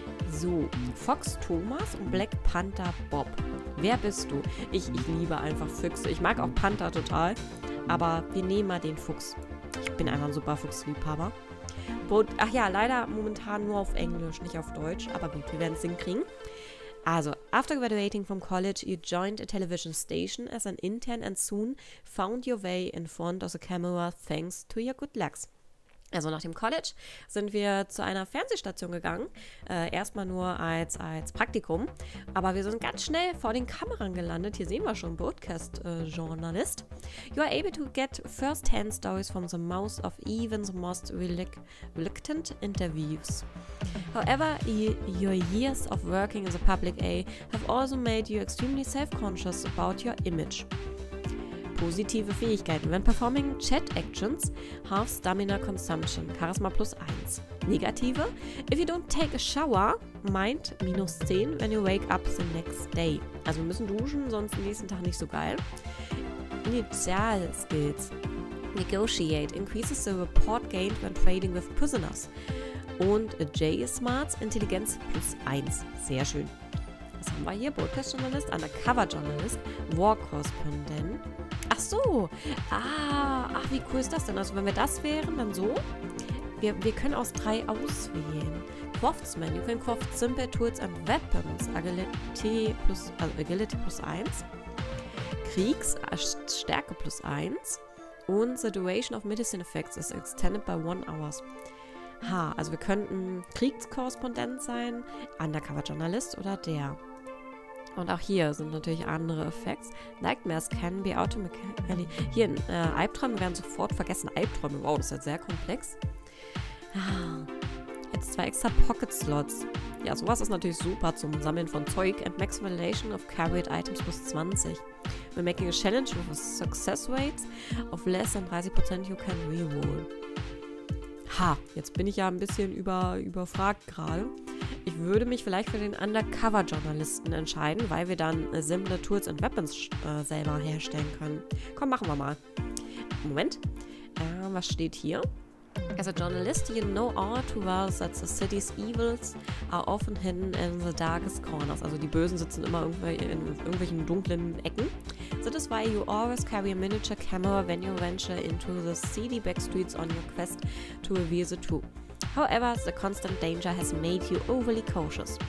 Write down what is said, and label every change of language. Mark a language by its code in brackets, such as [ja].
[de] So, Fox Thomas und Black Panther Bob. Wer bist du? Ich liebe einfach Füchse. Ich mag auch Panther total, aber wir nehmen mal den Fuchs. Ich bin einfach ein super Fuchsliebhaber. Ach ja, leider momentan nur auf Englisch, nicht auf Deutsch, aber gut, wir werden es hinkriegen. [en] Also, after graduating from college, you joined a television station as an intern and soon found your way in front of the camera thanks to your good looks. [de] Also nach dem College sind wir zu einer Fernsehstation gegangen, erstmal nur als Praktikum, aber wir sind ganz schnell vor den Kameras gelandet. Hier sehen wir schon Broadcast-Journalist. [en] You are able to get first-hand stories from the mouth of even the most reluctant interviews. However, your years of working in the public eye have also made you extremely self-conscious about your image. [de] Positive Fähigkeiten. [en] When performing chat actions, half stamina consumption. Charisma plus 1. Negative. If you don't take a shower, mind minus 10 when you wake up the next day. [de] Also wir müssen duschen, sonst nächsten Tag nicht so geil. [en] Initial skills. Negotiate. Increases the report gained when trading with prisoners. [de] Und J smarts. Intelligenz plus 1. Sehr schön. Was haben wir hier? [en] Broadcast Journalist, Undercover Journalist, War Correspondent. [de] Ach so, ach wie cool ist das denn? Also wenn wir das wären, dann so. Wir können aus 3 auswählen. [en] Craftsman, you can craft simple tools and weapons. Agility plus 1. [de] Kriegs, Stärke plus 1. Und [en] the duration of medicine effects is extended by 1 hours. [de] Ha, also wir könnten Kriegskorrespondent sein, Undercover Journalist oder der. Und auch hier sind natürlich andere Effects. [en] Nightmares can be automatically... [de] Hier, Albträume werden sofort vergessen. Albträume, wow, das ist ja sehr komplex. Jetzt 2 extra Pocket Slots. Ja, sowas ist natürlich super zum Sammeln von Zeug. [en] And maximization of carried items plus 20. We're making a challenge with a success rate of less than 30% you can re-roll. [de] Ha, jetzt bin ich ja ein bisschen überfragt gerade. Ich würde mich vielleicht für den Undercover-Journalisten entscheiden, weil wir dann simple Tools und Weapons selber herstellen können. Komm, machen wir mal. Moment. Was steht hier? [en] As a journalist, you know all too well that the city's evils are often hidden in the darkest corners. [de] Also die Bösen sitzen immer in irgendwelchen dunklen Ecken. [en] That is why you always carry a miniature camera when you venture into the seedy backstreets on your quest to reveal the truth. However, the constant danger has made you overly cautious.